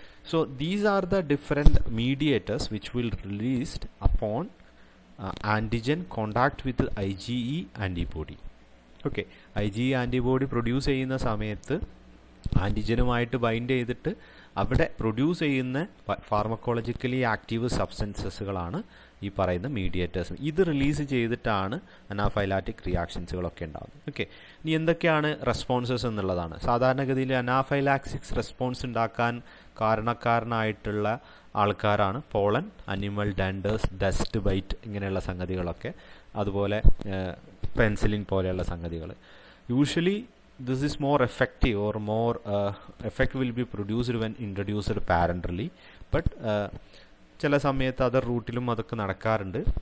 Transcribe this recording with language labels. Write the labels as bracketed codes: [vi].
[en] So these are the different mediators which will released upon antigen contact with the IgE antibody. Okay, IgE antibody produce in the same antigen might bind either [ml] അവിടെ produce ചെയ്യുന്ന pharmacologically active സബ്സ്റ്റൻസസുകളാണ് ഈ പറയുന്ന mediators. ഇത് release ചെയ്തിട്ടാണ് anaphylactic റിയാക്ഷൻസുകളൊക്കെ ഉണ്ടാകുന്നത്. Okay, ഇനി എന്തൊക്കെയാണ് responses എന്നുള്ളതാണ്. സാധാരണഗതിയിൽ അനാഫൈലാക്സിക്സ് റെസ്പോൺസ് ഉണ്ടാക്കാൻ കാരണക്കാരനായിട്ടുള്ള ആൾക്കാരാണ് പോളൻ, അനിമൽ ഡാൻഡേഴ്സ്, ഡസ്റ്റ് ബൈറ്റ് ഇങ്ങനെയുള്ള സംഗതികളൊക്കെ, അതുപോലെ പെൻസിലിൻ പോലെയുള്ള സംഗതികൾ. [en] usually this is more effective or more effect will be produced when introduced parenterally, but [ml] chala samayath other rootilum adakku nadakkarundu.